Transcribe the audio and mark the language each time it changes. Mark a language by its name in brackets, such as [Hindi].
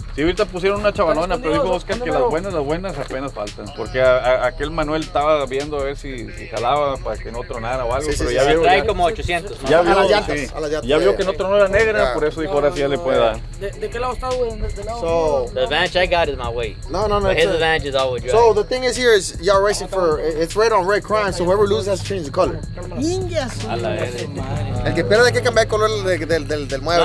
[Spanish] Sí, ahorita pusieron una chabalona, pero dijo Oscar que las buenas apenas faltan. Porque aquel Manuel estaba viendo a ver si jalaba para que no tronara o algo. Sí, ya vio. Trae como 800. A las llantas. Ya vio que no tronó la negra, por eso dijo ahora sí ya le puede dar. ¿De qué lado está, güey? [English] The advantage I got is my weight. No. His advantage is always right. So, the thing is here, y'all racing for it's red on red crime, so whoever loses has to change the color. Ninjas. [Spanish] El que pierda hay que cambiar el color del mueble.